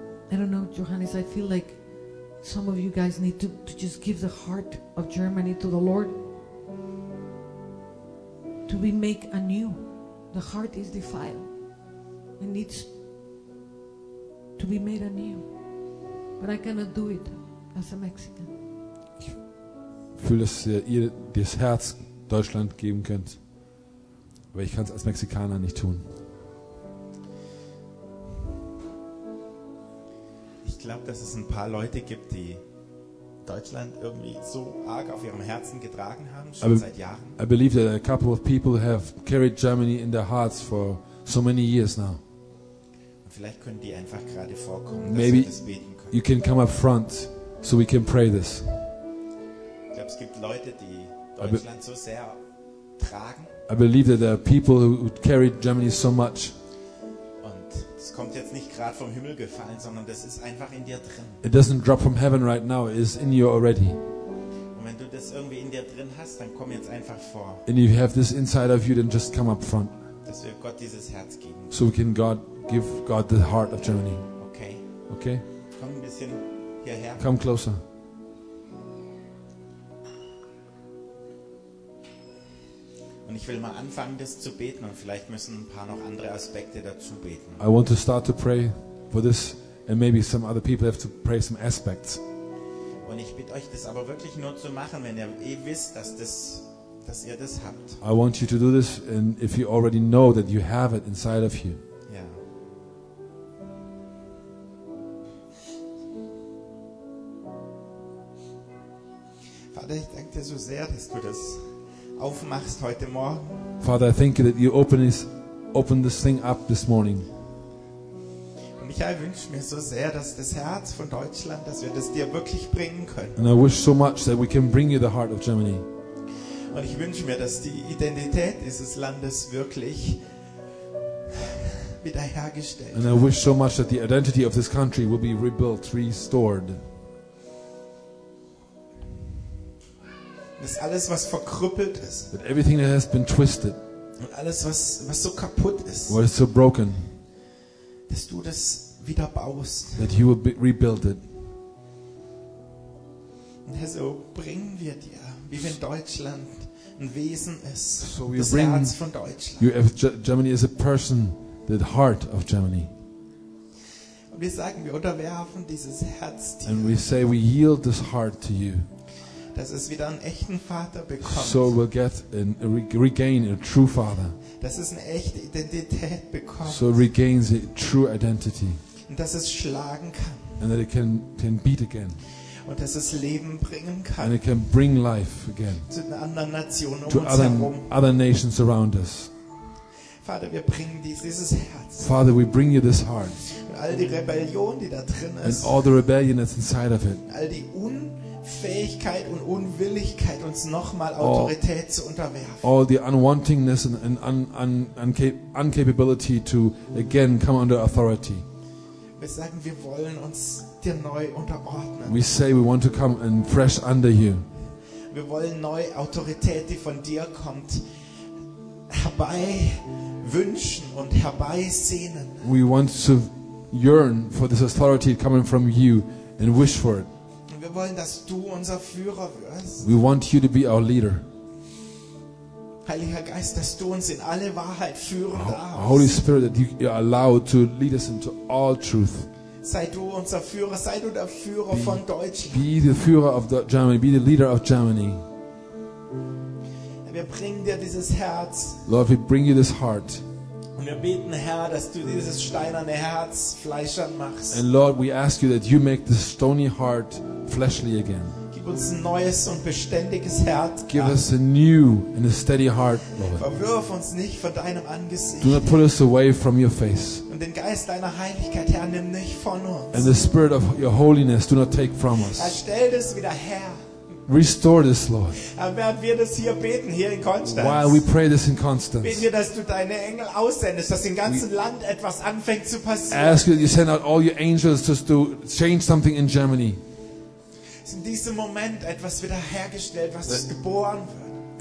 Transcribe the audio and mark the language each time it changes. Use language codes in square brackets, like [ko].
[en] I don't know, Johannes, I feel like some of you guys need to just give the heart of Germany to the Lord. To be made anew. The heart is defiled. It needs to be made anew. But I cannot do it as a Mexican. [de] Ich fühle, dass ihr das Herz Deutschland geben könnt. Aber ich kann es als Mexikaner nicht tun. Ich glaube, dass es ein paar Leute gibt, die Deutschland irgendwie so arg auf ihrem Herzen getragen haben, schon seit Jahren. [en] I believe that a couple of people have carried Germany in their hearts for so many years now. [de] Und vielleicht können die einfach gerade vorkommen, [en] maybe [de] dass wir das beten können. [en] You can come up front so we can pray this. [de] Ich glaube, es gibt Leute, die Deutschland so sehr tragen. [en] I believe that there are people who carried Germany so much. [de] Kommt jetzt nicht gerade vom Himmel gefallen, sondern das ist einfach in dir drin. [en] It doesn't drop from heaven right now, it is in you already. [de] Und wenn du das irgendwie in dir drin hast, dann komm jetzt einfach vor. [en] And if you have this inside of you, then just come up front. [de] Dass wir Gott dieses Herz geben. [en] So we can God give God the heart of Germany. Okay. Okay. [de] Komm ein bisschen hierher. [en] Come closer. [de] Und ich will mal anfangen, das zu beten, und vielleicht müssen ein paar noch andere Aspekte dazu beten. [en] I want to start to pray for this, and maybe some other people have to pray some aspects. [de] Und ich bitte euch, das aber wirklich nur zu machen, wenn ihr eh wisst, dass ihr das habt. [en] I want you to do this, and if you already know that you have it inside of you. [de] Ja. Vater, ich danke dir so sehr, dass du das aufmachst heute Morgen. [en] Father, I thank you that you open this thing up this morning. [de] Und ich wünsche mir so sehr, dass das Herz von Deutschland, dass wir das dir wirklich bringen können. [en] And I wish so much that we can bring you the heart of Germany. [de] Und ich wünsche mir, dass die Identität dieses Landes wirklich wiederhergestellt wird. [en] And I wish so much that the identity of this country will be rebuilt, restored. [de] Dass alles, was verkrüppelt ist, [en] that everything that has been twisted, [de] und alles, was so kaputt ist, [en] what is so broken, [de] dass du das wieder baust, [en] that you will rebuild it. [de] Und so bringen wir dir, wie wenn Deutschland ein Wesen ist, [en] so [de] das Herz von Deutschland. [en] You have Germany is a person, the heart of Germany. [de] Und wir sagen, wir unterwerfen dieses Herz dir. [en] And we say we yield this heart to you. [de] Dass es wieder einen echten Vater bekommt. [en] So we'll get and regain a true father. [de] Dass es eine echte Identität bekommt. [en] So it regains a true identity. [de] Und dass es schlagen kann. [en] And that it can beat again. [de] Und dass es Leben bringen kann. [en] And it can bring life again. [de] Zu einer anderen Nation um [en] to [de] uns herum. [en] Other nations around us. [de] Vater, wir bringen dieses Herz. [en] Father, we bring you this heart. [de] Und all die Rebellion, die da drin ist. [en] And all the rebellion that's inside of it. [de] All die Fähigkeit und Unwilligkeit, uns nochmal Autorität zu unterwerfen. [en] All the unwantingness and incapability to again come under authority. [de] Wir sagen, wir wollen uns dir neu unterordnen. [en] We say we want to come and fresh under you. [de] Wir wollen neu Autorität, die von dir kommt, herbei wünschen und herbei sehnen. [en] We want to yearn for this authority coming from you and wish for it. [de] Wir wollen, dass du unser Führer wirst. [en] We want you to be our leader. [de] Heiliger Geist, dass du uns in alle Wahrheit führen darfst. [en] Holy Spirit, that you allow to lead us into all truth. [de] Sei du unser Führer, sei du der Führer von Deutschland. [en] Be the Führer of the Germany, be the leader of Germany. [de] Wir bringen dir dieses Herz. [en] Lord, we bring you this heart. [de] Und wir beten, Herr, dass du dieses steinerne Herz fleischern machst. [en] And Lord, we ask you that you make this stony heart fleshly again. [de] Gib uns ein neues und beständiges Herz. [en] Give us a new and a steady heart, Lord. [de] Verwirf uns nicht von deinem Angesicht. [en] Do not pull us away from your face. [de] Und den Geist deiner Heiligkeit, Herr, nimm nicht von uns. [en] And the spirit of your holiness, do not take from us. [de] Erstell das wieder her. [en] Restore this, Lord. [de] Während wir das hier beten, hier in Konstanz. [en] While we pray this in Constance. [de] Beten wir, dass du deine Engel aussendest, dass im ganzen Land etwas anfängt zu passieren. [en] Ask you, you send out all your angels just to change something in Germany. [de] In diesem Moment etwas wiederhergestellt, was ist geboren wird.